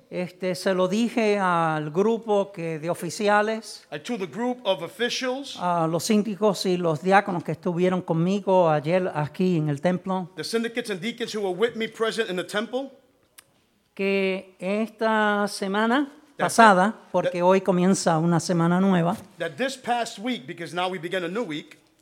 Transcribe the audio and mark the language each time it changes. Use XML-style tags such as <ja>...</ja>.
<es>Se lo dije al grupo que de oficiales.</es> <en>I told the group of officials.</en> <es>Los síndicos y los diáconos que estuvieron conmigo ayer aquí en el templo.</es> <en>The syndicates and deacons who were with me present in the temple.</en> <es>Que esta semana pasada, porque hoy comienza una semana nueva.</es> <en>That this past week, because now we begin a new week.</en>